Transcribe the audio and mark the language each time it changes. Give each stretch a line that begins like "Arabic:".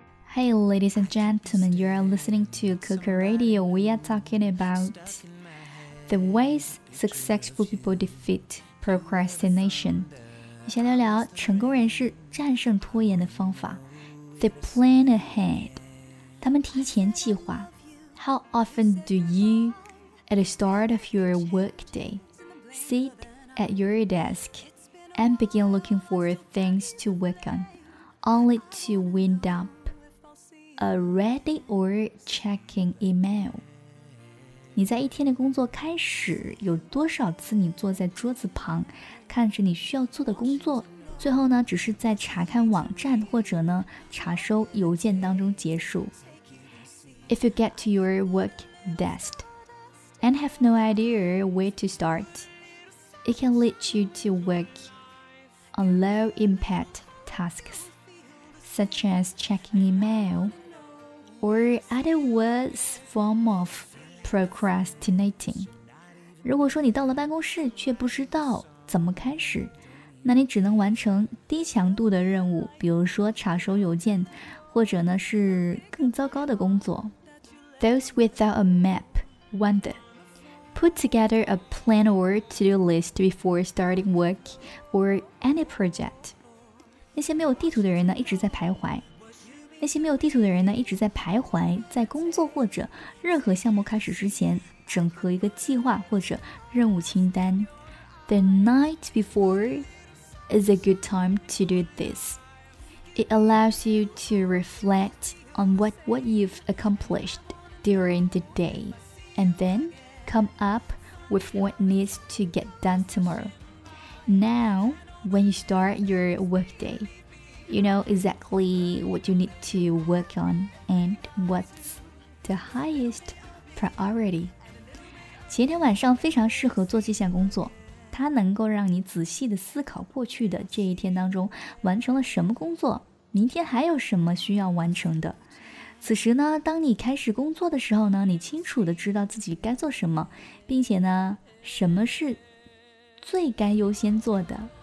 English: Hey, ladies and gentlemen, you are listening to Cooker Radio. We are talking about the ways successful people defeat procrastination.
Chinese: 先聊聊成功人士战胜拖延的方法。
English: They plan ahead.
Chinese: 他们提前计划。
English: How often do you, at the start of your work day, sit at your desk and begin looking for things to work on, only to wind up? Already or checking email.
Chinese: 你在一天的工作开始，有多少次你坐在桌子旁，看着你需要做的工作，最后呢，只是在查看网站或者呢，查收邮件当中结束。
English: If you get to your work desk and have no idea where to start, it can lead you to work on low impact tasks, such as checking email. Or other words form of procrastinating.
Chinese: 如果说你到了办公室却不知道怎么开始，那你只能完成低强度的任务，比如说查收邮件，或者呢是更糟糕的工作。
English: Those without a map wonder. Put together a plan or to-do list before starting work or any project.
Chinese: 那些没有地图的人呢，一直在徘徊。那些没有地图的人呢，一直在徘徊，在工作或者任何项目开始之前，整合一个计划或者任务清单。
English: The night before is a good time to do this. It allows you to reflect on what you've accomplished during the day, and then come up with what needs to get done tomorrow. Now, when you start your workday,You know exactly what you need to work on and what's the highest priority.
Chinese: 前天晚上非常适合做这项工作，它能够让你仔细地思考过去的这一天当中完成了什么工作，明天还有什么需要完成的。此时呢，当你开始工作的时候呢，你清楚地知道自己该做什么，并且呢，什么是最该优先做的。